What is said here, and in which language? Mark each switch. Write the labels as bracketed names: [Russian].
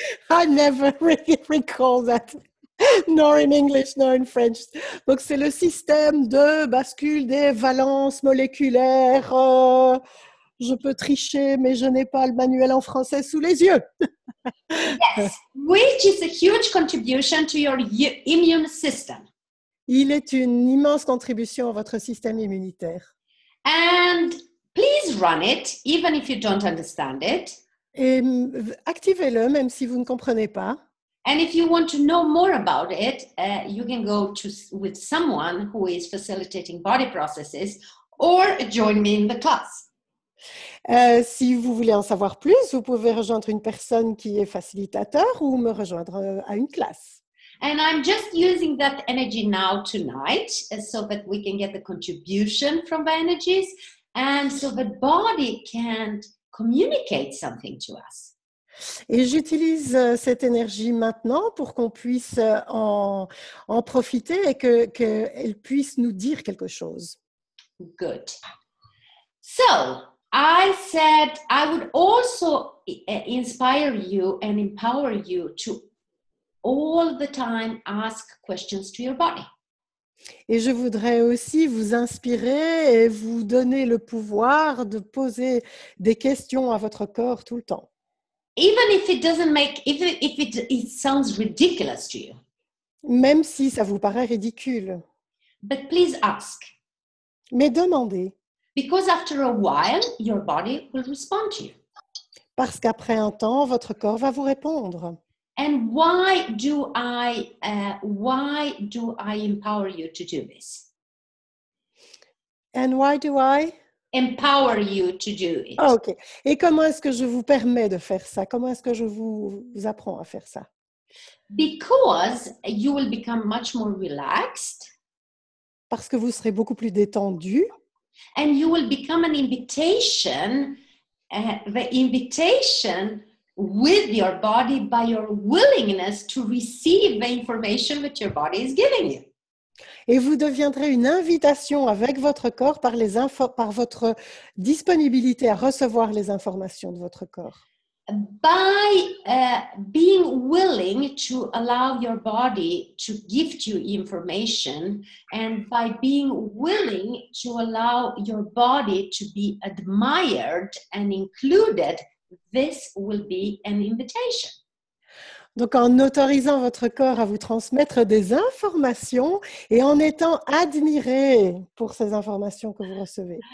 [English] I never really recall that, nor in English, nor in French. [French] Donc c'est le système de bascule des valences moléculaires. Je peux tricher, mais je n'ai pas le manuel en français sous les yeux. [English] Yes, which is a huge contribution to your immune system. [French] Il est une immense contribution à votre système immunitaire. [English] And please run it, even if you don't understand it. [French] Et activez-le, même si vous ne comprenez pas. [English] And if you want to know more about it, you can go to with someone who is facilitating body processes or join me in the class. [French] Si vous voulez en savoir plus, vous pouvez rejoindre une personne qui est facilitateur ou me rejoindre à une classe. [English] And I'm just using that energy now tonight so that we can get the contribution from the energies and so the body can communicate something to us. [French] Et j'utilise cette énergie maintenant pour qu'on puisse en profiter et qu'elle puisse nous dire quelque chose. [English] Good. So, I said I would also inspire you and empower you to all the time ask questions to your body. [French] Et je voudrais aussi vous inspirer et vous donner le pouvoir de poser des questions à votre corps tout le temps. [English] Even if it doesn't make, if it sounds ridiculous to you. [French] Même si ça vous paraît ridicule. [English] But please ask. [French] Mais demandez. [English] Because after a while, your body will respond to you. [French] Parce qu'après un temps, votre corps va vous répondre. [English] And why do I empower you to do this? And why do I empower you to do it? Okay. [French] Et comment est-ce que je vous permets de faire ça? Comment est-ce que je vous apprends à faire ça? [English] Because you will become much more relaxed. [French] Parce que vous serez beaucoup plus détendu. [English] And you will become an invitation, the invitation with your body by your willingness to receive the information that your body is giving you. [French] Et vous deviendrez une invitation avec votre corps par les par votre disponibilité à recevoir les informations de votre corps. [English] By being willing to allow your body to gift you information and by being willing to allow your body to be admired and included, this will be an invitation. [French] Donc en autorisant votre corps à vous transmettre des informations et en étant admiré pour ces informations que vous recevez.